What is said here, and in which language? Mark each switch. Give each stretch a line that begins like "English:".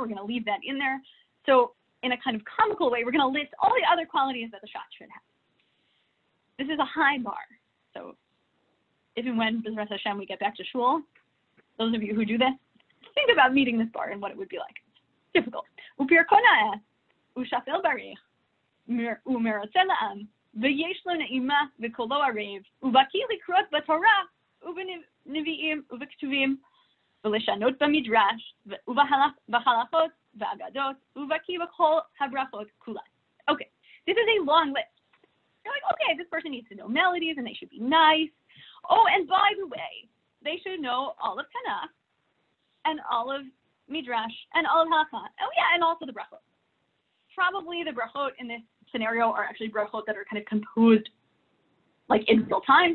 English: We're going to leave that in there. So in a kind of comical way, we're going to list all the other qualities that the shatz should have. This is a high bar. So if and when, B'zras Hashem, we get back to shul, those of you who do this, think about meeting this bar and what it would be like. It's difficult.
Hebrew: Upir kona'eh, u'shafel barich, u'merotze la'am, ויש לו נעימה וקולו ערב, ובקי לקרות בתורה, ובנביאים, ובכתובים, ולשנות במדרש, ובחלכות, ואגדות, ובקי בכל הברכות כולן.
English: Okay, this is a long list. You're like, okay, this person needs to know melodies, and they should be nice. Oh, and by the way, they should know all of Tanakh, and all of Midrash, and all of Halakha. Oh yeah, and also the brachot. Probably the brachot in this scenario are actually brachot that are kind of composed like in real time.